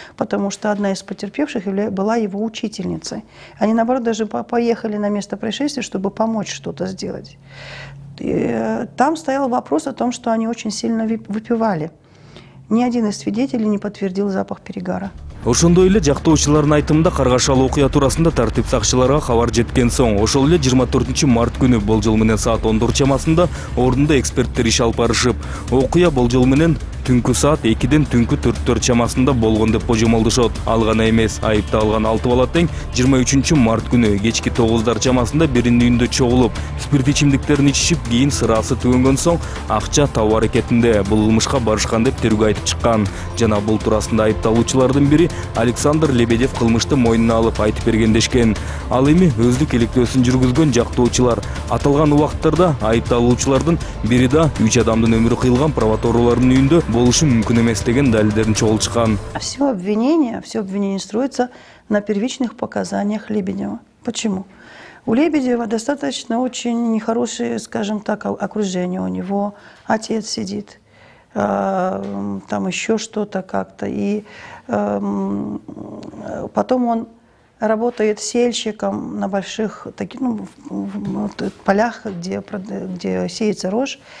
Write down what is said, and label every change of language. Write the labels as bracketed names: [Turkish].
[Russian] Потому что одна из потерпевших была его учительницей. Они, наоборот, даже поехали на место происшествия, чтобы помочь что-то сделать. И там стоял вопрос о том, что они очень сильно выпивали. Ни один из свидетелей не подтвердил запах перегара. [Kyrgyz] Ошондой эле жактоочулардын айтымында каргашалуу окуя туурасында тартип сакчыларга хабар жеткен соң, ошол эле 24 март күнү болжол менен саат 14 чамасында ордунда эксперттер иш алып барышып, окуя болжол менен түнкү саат 2-ден түнкү 4-төрт чамасында болгон деп божомолдошот. Ал гана эмес, айыпталган 6 бала тең 23 март күнү кечки 9-дар чамасында биринин үйүндө чогулуп, спирт ичимдиктерин ичишип, кийин сырасы түгөнгөн соң акча табуу аракетинде бул кылмышка барышкан деп тергөө айтып чыккан. Жана бул туурасында айыпталуучулардын бири Александр Лебедев кылмышты мойнуна алып айтып бергендешкен. Ал эми өздүк иликтөөсүн жүргүзгөн жактоочулар аталган убакыттарда айыпталуучулардын бири да 3 адамдын өмүрү кыйылган прокуратуралардын үйүндө болушу мүмкүн эмес деген далилдерин чогулуп чыккан. [Russian] Все обвинение строится на первичных показаниях Лебедева. Почему? У Лебедева достаточно очень нехорошее, скажем так, окружение. У него отец сидит, там еще что-то как-то. И потом он работает сельщиком на больших таких, ну, полях, где сеется рожь.